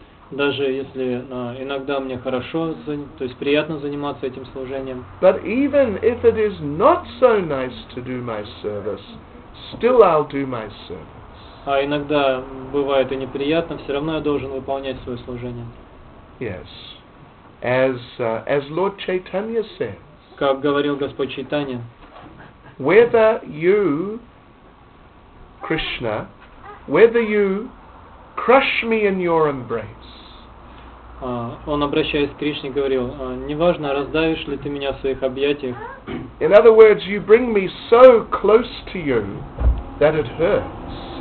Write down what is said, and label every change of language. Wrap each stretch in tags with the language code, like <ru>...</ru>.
<ru>Даже если иногда мне хорошо, то есть приятно заниматься этим служением.</ru> <en>But even if it is not so nice to do my service, still I'll do my service.</en> <ru>А иногда бывает и неприятно, все равно я должен выполнять свое служение.</ru> <en>Yes. As Lord Chaitanya says.</en> <ru>Как говорил Господь Чайтанья.</ru> <en>Whether you, Krishna, whether you crush me in your embrace.</en> <ru>Он, обращаясь к Кришне, говорил: «Неважно, раздавишь ли ты меня в своих объятиях».</ru> <en>In other words, you bring me so close to you that it hurts.</en>